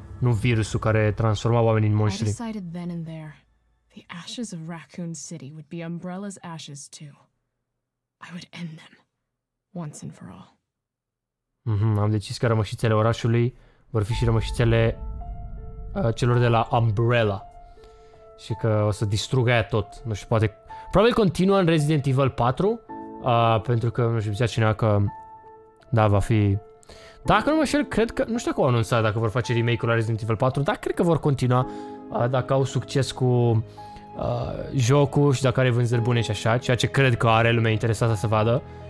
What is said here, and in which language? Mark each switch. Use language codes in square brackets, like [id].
[ro] Nu virusul care transforma oamenii în monștri. [en] I decided then and there. The ashes of Raccoon City would be Umbrella's ashes too. I would end them once and for all. [ro] Am decis că rămășițele orașului vor fi și rămășițele celor de la Umbrella. și că o să distrugă aia tot. Nu știu, poate... Probabil continuă în Resident Evil 4, pentru că, nu știu, zicea cineva că... Da, va fi... Dacă nu mă știu, cred că... Nu știu că au anunțat dacă vor face remake-ul la Resident Evil 4, dar cred că vor continua dacă au succes cu jocul și dacă are vânzări bune și așa, ceea ce cred că are lumea interesată să vadă.